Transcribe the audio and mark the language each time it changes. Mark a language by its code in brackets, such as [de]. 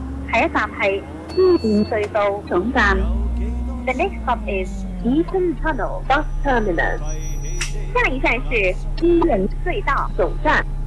[zh] 下一站是伊甸隧道总站。 [en] The next stop is Eden Tunnel Bus Terminus. [zh] 下一站是伊甸隧道总站。